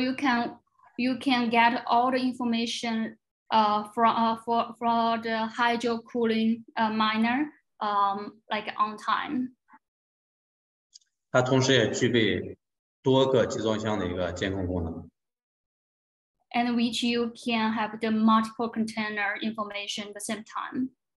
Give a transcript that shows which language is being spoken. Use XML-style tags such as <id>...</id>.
<en>you can get all the information from the hydro cooling miner like on time.</en> <zh>它同时也具备多个集装箱的一个监控功能。</zh> <en>And which you can have the multiple container information at the same time.</en>